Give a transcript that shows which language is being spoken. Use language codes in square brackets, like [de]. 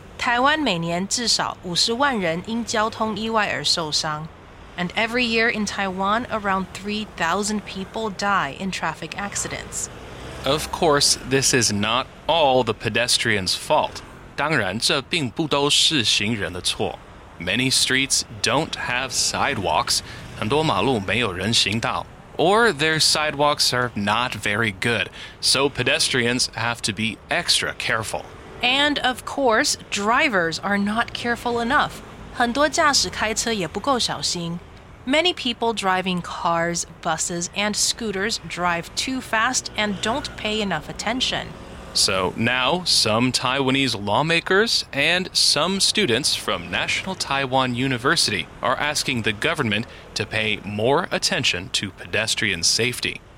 [zh] 台灣每年至少五十万人因交通意外而受傷。 [en] And every year in Taiwan, around 3,000 people die in traffic accidents. Of course, this is not all the pedestrians' fault. [zh] 当然，这并不都是行人的错。 [en] Many streets don't have sidewalks. [zh] 很多马路没有人行道。 [en] Or their sidewalks are not very good, so pedestrians have to be extra careful. And of course, drivers are not careful enough. [zh] 很多驾驶开车也不够小心。 [en] Many people driving cars, buses, and scooters drive too fast and don't pay enough attention. So now, some Taiwanese lawmakers and some students from National Taiwan University are asking the government to pay more attention to pedestrian safety.